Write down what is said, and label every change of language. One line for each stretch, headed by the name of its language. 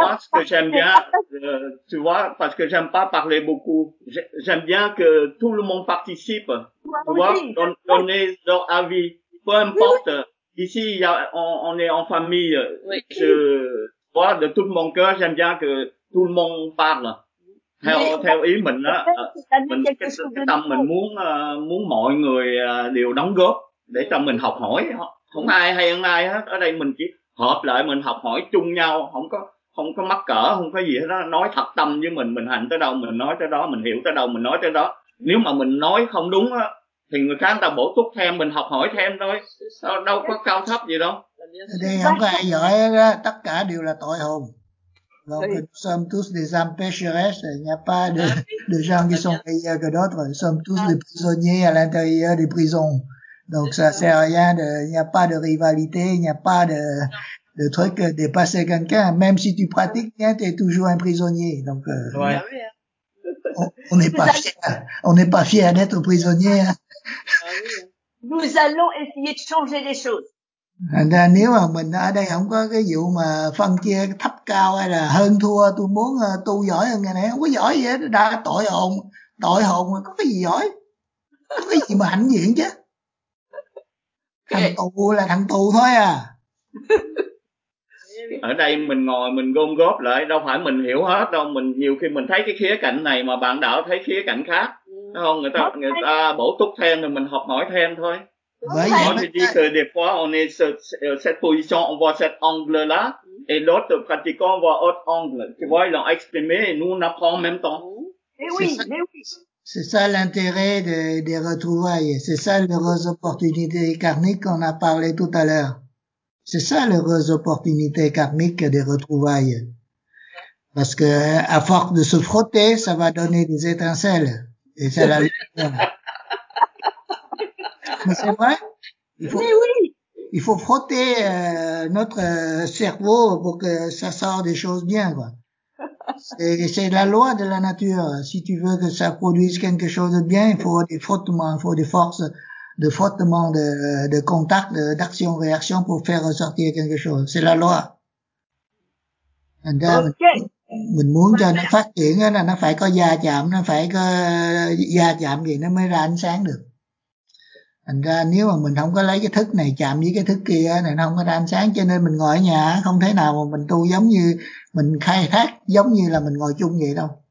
French: Moi, ce que j'aime bien, tu vois, parce que j'aime pas parler beaucoup. J'aime bien que tout le monde participe. Moi, tu vois, donner leur avis. Peu importe. Oui. Ici, on est en famille. Oui. Je vois de tout mon cœur, j'aime bien que tout le monde parle.
Vietnamese: Theo ý mình á, cái tâm mình muốn mọi người đều đóng góp để cho mình học hỏi, không ai hay hơn ai hết. Ở đây mình chỉ hợp lại mình học hỏi chung nhau, không có mắc cỡ, không có gì hết đó. Nói thật tâm với mình hành tới đâu mình nói tới đó, mình hiểu tới đâu mình nói tới đó. Nếu mà mình nói không đúng á thì người khác người ta bổ túc thêm, mình học hỏi thêm thôi, đâu có cao thấp gì đâu. Đây không có ai giỏi hết đó, tất cả đều là tội hồn.
French: Donc, oui. Nous sommes tous des âmes pécheresses, il n'y a pas de gens qui sont meilleurs que d'autres, nous sommes tous des prisonniers à l'intérieur des prisons. Donc, ça sert à rien de, il n'y a pas de rivalité, il n'y a pas de truc de dépasser quelqu'un, même si tu pratiques bien, t'es toujours un prisonnier. Donc, ouais. On n'est pas fiers d'être prisonnier. Nous allons essayer de changer les choses.
Vietnamese: Nếu mà mình ở đây không có cái vụ mà phân chia thấp cao hay là hơn thua, tôi muốn tu giỏi hơn ngày nay, không có giỏi gì hết, đã tội hồn mà có cái gì giỏi, có cái gì mà hãnh diện chứ. Thằng tù là thằng tù thôi à. Ở đây mình ngồi mình gom góp lại, đâu phải mình hiểu hết đâu, mình nhiều khi mình thấy cái khía cạnh này mà bạn đạo thấy khía cạnh khác, đúng không? Người ta bổ túc thêm rồi mình học hỏi thêm thôi.
French: On te dit que des fois on est sur cette position, on voit cet angle-là, et l'autre pratiquant on voit autre angle. Tu vois, ils l'ont exprimé et nous on apprend en même temps. C'est ça l'intérêt des retrouvailles. C'est ça l'heureuse opportunité karmique qu'on a parlé tout à l'heure. C'est ça l'heureuse opportunité karmique des retrouvailles. Parce que à force de se frotter, ça va donner des étincelles. Et c'est la lumière. Mais c'est vrai? Il faut frotter notre cerveau pour que ça sorte des choses bien, quoi. C'est la loi de la nature. Si tu veux que ça produise quelque chose de bien, il faut des frottements, il faut des forces de frottement, de contact, d'action-réaction pour faire ressortir quelque chose. C'est la loi.
Vietnamese: Mình muốn cho nó phát triển là nó phải có va chạm, nó phải có va chạm gì nó mới ra ánh sáng được. Thành ra nếu mà mình không có lấy cái thức này chạm với cái thức kia này nó không có ra ánh sáng, cho nên mình ngồi ở nhà không thể nào mà mình tu giống như mình khai thác giống như là mình ngồi chung vậy đâu.